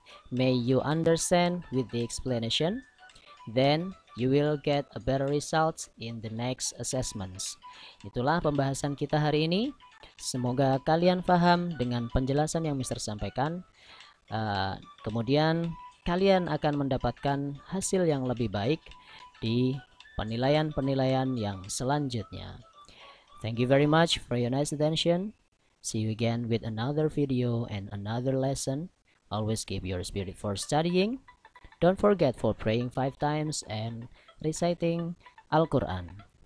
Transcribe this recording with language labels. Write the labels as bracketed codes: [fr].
[en] May you understand with the explanation, then you will get a better results in the next assessments. [id] Itulah pembahasan kita hari ini. Semoga kalian paham dengan penjelasan yang Mister sampaikan. Kemudian kalian akan mendapatkan hasil yang lebih baik di penilaian-penilaian yang selanjutnya. [en] Thank you very much for your nice attention. See you again with another video and another lesson. Always keep your spirit for studying. Don't forget for praying 5 times and reciting Al-Quran.